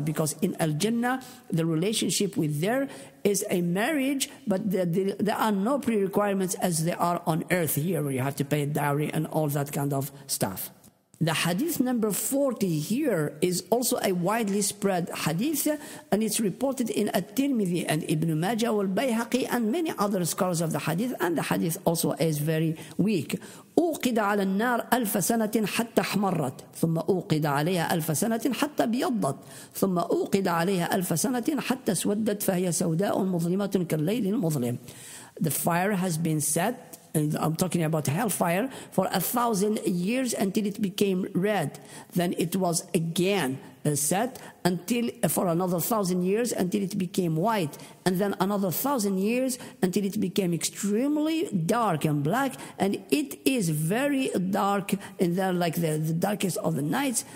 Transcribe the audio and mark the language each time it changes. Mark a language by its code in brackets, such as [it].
[en] Because in Al-Jannah, the relationship with there is a marriage, but there are no pre-requirements as there are on earth here, where you have to pay a dowry and all that kind of stuff. The hadith number 40 here is also a widely spread hadith, and it's reported in At-Tirmidhi and Ibn Majah wal-Bayhaqi and many other scholars of the hadith, and the hadith also is very weak. [ar] أوقد على النار ألف سنة حتى حمرت ثم أوقد عليها ألف سنة حتى بيضت ثم أوقد عليها ألف سنة حتى سودت فهي سوداء مظلمة كالليل المظلم. [en] The fire has been set, and I'm talking about hellfire, for 1,000 years until it became red. Then it was again set until for another 1,000 years until it became white, and then another 1,000 years until it became extremely dark and black, and it is very dark in there, like the darkest of the nights.